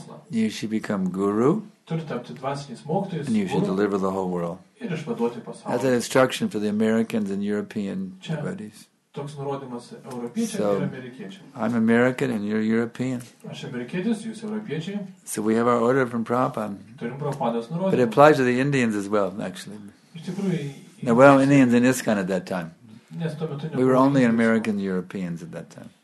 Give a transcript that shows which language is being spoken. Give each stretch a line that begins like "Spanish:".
English: You should become guru. And you should deliver the whole world. That's an instruction for the Americans and European devotees.
Lithuanian: toks nurodymas europiečiam ir amerikiečiam.
English: I'm American and you're European.
Lithuanian: Aš amerikietis, jūs europiečiai.
English: So we have our order from Prabhupada.
Lithuanian: Turim Prabhupados nurodymą.
English: But it applies to the Indians as well, actually.
Lithuanian: Iš tikrųjų,
English: now, well, Indians in ISKCON at that time.
Lithuanian: Nes tuo metu
English: we were only American Europeans at that time.